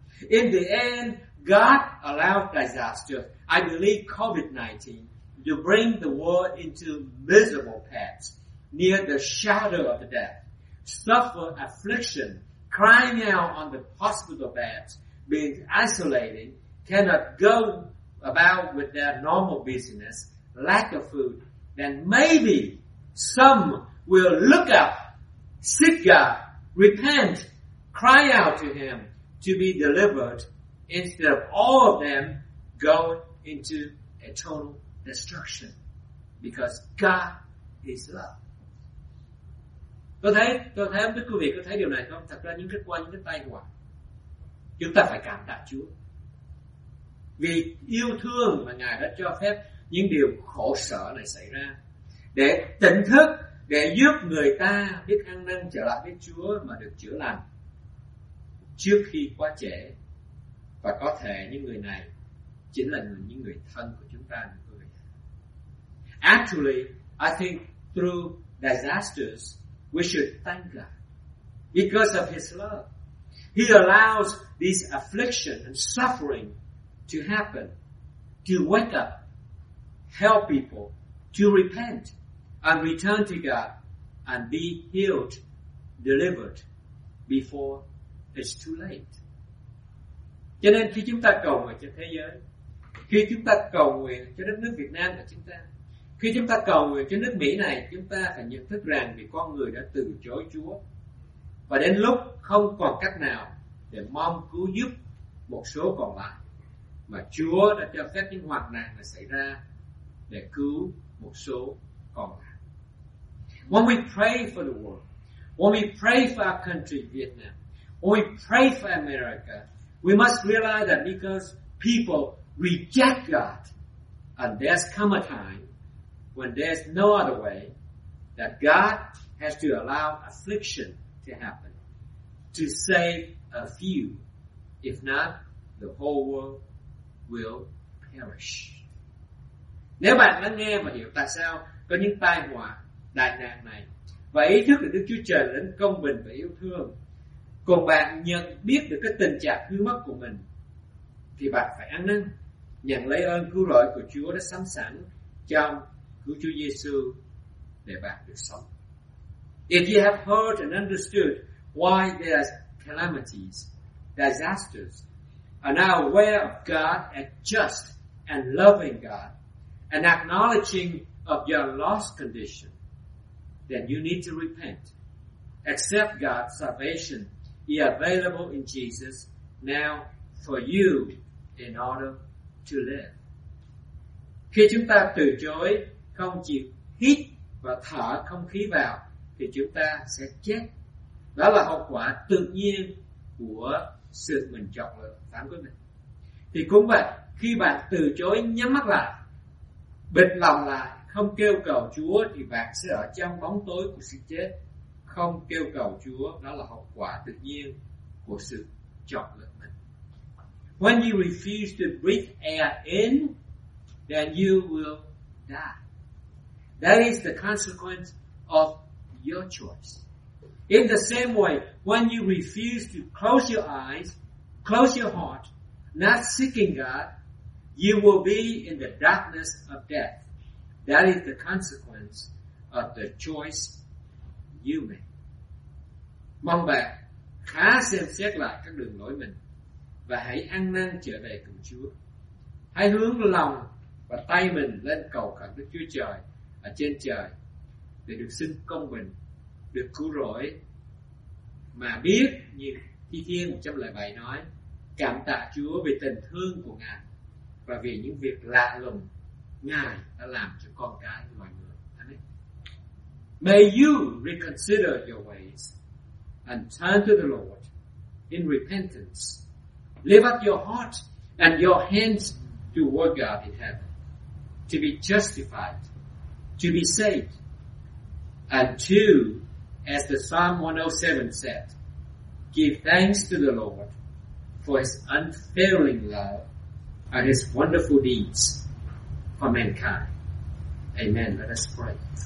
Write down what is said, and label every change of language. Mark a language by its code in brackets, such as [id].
[en] In the end, God allowed disaster, I believe COVID-19, to bring the world into miserable paths, near the shadow of death, suffer affliction, crying out on the hospital beds, being isolated, cannot go about with their normal business, lack of food, then maybe some will look up, seek God, repent, cry out to Him to be delivered, instead of all of them going into eternal destruction, because God is love. [vi] Tôi thấy không, quý vị có thấy điều này không? Thật ra những cái qua những cái tai họa, chúng ta phải cảm tạ Chúa vì yêu thương mà Ngài đã cho phép những điều khổ sở này xảy ra, để tỉnh thức, để giúp người ta biết ăn năn trở lại với Chúa mà được chữa lành trước khi quá trễ. Và có thể những người này chính là những người thân của chúng ta. [en] Actually, I think through disasters, we should thank God because of His love. He allows this affliction and suffering to happen, to wake up, help people to repent and return to God and be healed, delivered before it's too late. [vi] Cho nên khi chúng ta cầu nguyện cho thế giới, khi chúng ta cầu nguyện cho đất nước Việt Nam của chúng ta, khi chúng ta cầu nguyện cho nước Mỹ này, chúng ta phải nhận thức rằng vì con người đã từ chối Chúa và đến lúc không còn cách nào để mong cứu giúp một số còn lại, mà Chúa đã cho phép những hoạn nạn xảy ra để cứu một số còn lại. [en] When we pray for the world, when we pray for our country, Vietnam, when we pray for America, we must realize that because people reject God, and there's come a time when there's no other way, that God has to allow affliction to happen to save a few. If not, the whole world will perish. [vi] Nếu bạn lắng nghe và hiểu tại sao có những tai họa, đại nạn này, và ý thức được Đức Chúa Trời là đấng công bình và yêu thương, còn bạn nhận biết được cái tình trạng hư mất của mình, thì bạn phải ăn năn, nhận lấy ơn cứu rỗi của Chúa đã sắm sẵn trong cứu Chúa Giêsu để bạn được sống. [en] If you have heard and understood why there are calamities, disasters, are now aware of God, a just and loving God, and acknowledging of your lost condition, then you need to repent. Accept God's salvation is available in Jesus now for you in order to live. [vi] Khi chúng ta từ chối, không chịu hít và thở không khí vào, thì chúng ta sẽ chết. Đó là hậu quả tự nhiên của sự mình chọn lựa phản ứng này. Thì cũng vậy, khi bạn từ chối nhắm mắt lại, bịt lòng lại, không kêu cầu Chúa, thì bạn sẽ ở trong bóng tối của sự chết. Không kêu cầu Chúa, đó là hậu quả tự nhiên của sự chọn lựa mình. [en] When you refuse to breathe air in, then you will die. That is the consequence of your choice. In the same way, when you refuse to close your eyes, close your heart, not seeking God, you will be in the darkness of death. That is the consequence of the choice you make. [vi] Mong bạn khá xem xét lại các đường lối mình và hãy ăn năn trở về cùng Chúa. Hãy hướng lòng và tay mình lên cầu khẩn Đức Chúa Trời ở trên trời để được xin công bình, được cứu rỗi, mà biết như Thi Thiên 107 nói, cảm tạ Chúa vì tình thương của Ngài và vì những việc lạ lùng Ngài đã làm cho con cái mọi người. Amen. [en] May you reconsider your ways and turn to the Lord in repentance. Lift up your heart and your hands toward God in heaven to be justified, to be saved, and to, as the Psalm 107 said, give thanks to the Lord for his unfailing love and his wonderful deeds for mankind. Amen. Let us pray.